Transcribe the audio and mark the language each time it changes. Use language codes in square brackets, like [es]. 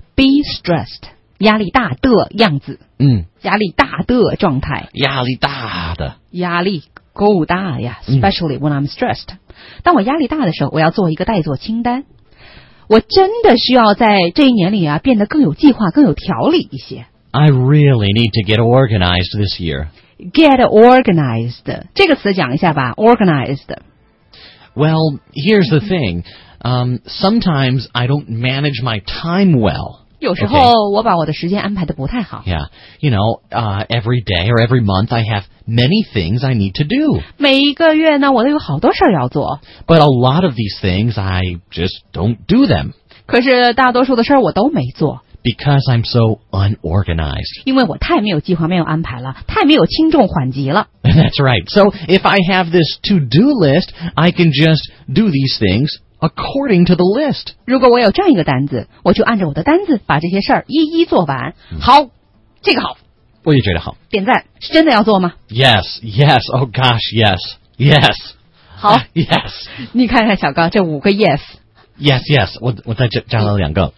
[en] Be stressed. [zh] 压力大的样子。嗯。压力大的状态。压力大的。压力够大呀。 [en] Especially when I'm stressed.、 [zh] 嗯、当我压力大的时候我要做一个待做清单。我真的需要在这一年里啊变得更有计划更有条理一些。 [en] I really need to get organized this year. Get organized. [zh] 这个词讲一下吧 organized. [en] Well, here's the thing. Sometimes I don't manage my time well. [zh] 有时候、okay. 我把我的时间安排得不太好。 [en] Yeah. You know,every day or every month I have many things I need to do. [zh] 每一个月呢我都有好多事儿要做。 [en] But a lot of these things I just don't do them. [zh] 可是大多数的事儿我都没做。 [en] Because I'm so unorganized. [zh] 因为我太没有计划，没有安排了，太没有轻重缓急了。 [en] That's right. So if I have this to-do list, I can just do these things according to the list. [zh] 如果我有这样一个单子，我就按照我的单子把这些事儿一一做完。好，这个好。我也觉得好。点赞，是真的要做吗 [en] ？Yes, yes. Oh gosh, yes, yes. [zh] 好。 [en] Yes. [zh] 你看看小高这五个 yes。 [en] Yes, yes, [zh] 我再加了两个。